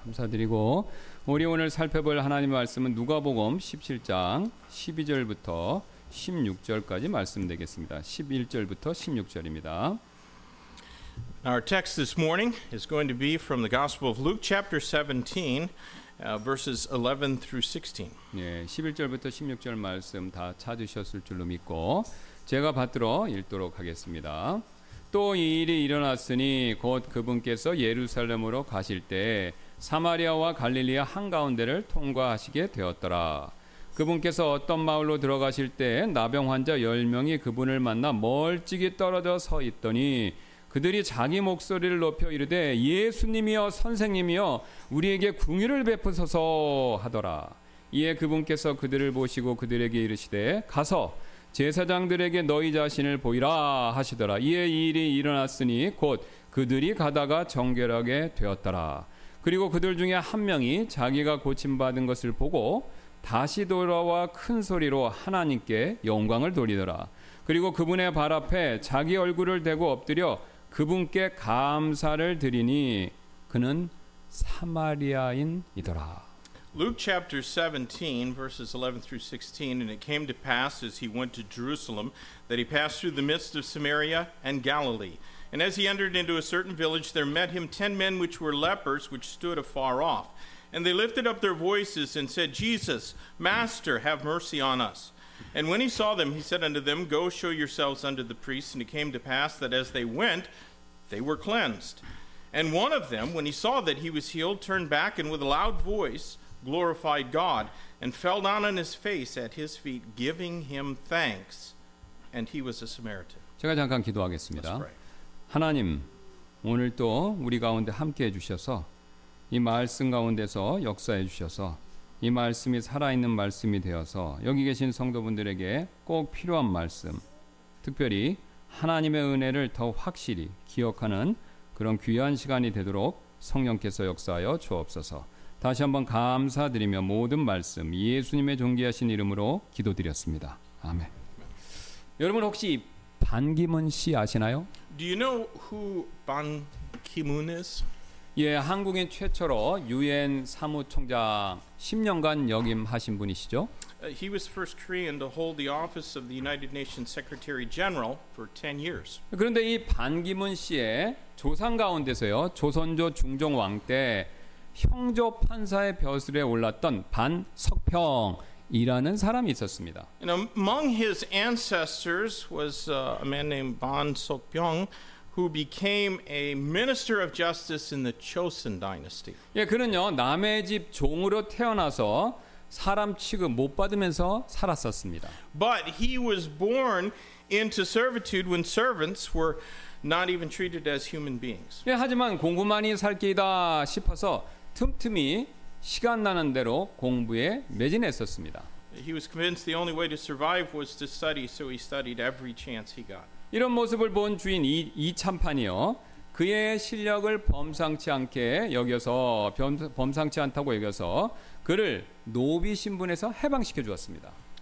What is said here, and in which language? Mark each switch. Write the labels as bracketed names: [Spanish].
[Korean] 드리고 우리 오늘 살펴볼 하나님의 말씀은 누가복음 17장 12절부터 16절까지 말씀되겠습니다. 11절부터 16절입니다. [English] Our text this morning is going to be from the Gospel of Luke chapter 17 verses 11 through 16. [Korean] 예, 11절부터 16절 말씀 다 찾으셨을 줄로 믿고 제가 받들어 읽도록 하겠습니다. 또 이 일이 일어났으니 곧 그분께서 예루살렘으로 가실 때 사마리아와 갈릴리아 한가운데를 통과하시게 되었더라. 그분께서 어떤 마을로 들어가실 때 나병 환자 10명이 그분을 만나 멀찍이 떨어져 서 있더니 그들이 자기 목소리를 높여 이르되 예수님이여 선생님이여 우리에게 궁휼을 베푸소서 하더라. 이에 그분께서 그들을 보시고 그들에게 이르시되 가서 제사장들에게 너희 자신을 보이라 하시더라. 이에 이 일이 일어났으니 곧 그들이 가다가 정결하게 되었더라. 그리고 그들 중에 한 명이 자기가 고침받은 것을 보고 다시 돌아와 큰 소리로 하나님께 영광을 돌리더라. 그리고 그분의 발 앞에 자기 얼굴을 대고 엎드려 그분께 감사를 드리니 그는 사마리아인이더라. [English] Luke chapter 17 verses 11 through 16 and it came to pass as he went to Jerusalem that he passed through the midst of Samaria and Galilee. And as he entered into a certain village, there met him 10 men which were lepers, which stood afar off. And they lifted up their voices and said, Jesus, Master, have mercy on us. And when he saw them, he said unto them, Go show yourselves unto the priests. And it came to pass that as they went, they were cleansed. And one of them, when he saw that he was healed, turned back and with a loud voice glorified God and fell down on his face at his feet, giving him thanks. And he was a Samaritan. [Korean] 제가 잠깐 기도하겠습니다. 하나님 오늘 또 우리 가운데 함께해 주셔서 이 말씀 가운데서 역사해 주셔서 이 말씀이 살아있는 말씀이 되어서 여기 계신 성도분들에게 꼭 필요한 말씀 특별히 하나님의 은혜를 더 확실히 기억하는 그런 귀한 시간이 되도록 성령께서 역사하여 주옵소서 다시 한번 감사드리며 모든 말씀 예수님의 존귀하신 이름으로 기도드렸습니다. 아멘. 여러분 혹시 반기문 씨 아시나요? [English] Do you know who Ban Ki-moon is? [Korean] 예, 한국인 최초로 UN 사무총장 10년간 역임하신 분이시죠? [English] He was first Korean to hold the office of the United Nations Secretary General for 10 years. [Korean] 그런데 이 반기문 씨의 조상 가운데서요, 조선조 중종왕 때 형조 판사의 벼슬에 올랐던 반석평 이라는 사람이 있었습니다. [English] And among his ancestors was a man named Ban Seok-pyeong who became a minister of justice in the Joseon dynasty. [Korean] 예, 그는요. 남의 집 종으로 태어나서 사람 취급 못 받으면서 살았었습니다. [English] But he was born into servitude when servants were not even treated as human beings. [Korean] 예, 하지만 공부만이 살 길이다 싶어서 틈틈이 시간 나는 대로 공부에 매진했었습니다. [English] He was convinced the only way to survive was to study, so he studied every chance he got. [Korean] 이런 모습을 본 주인 이참판이요, 그의 실력을 범상치 않게 여겨서 범상치 않다고 여겨서 그를 노비 신분에서 해방시켜 주었습니다.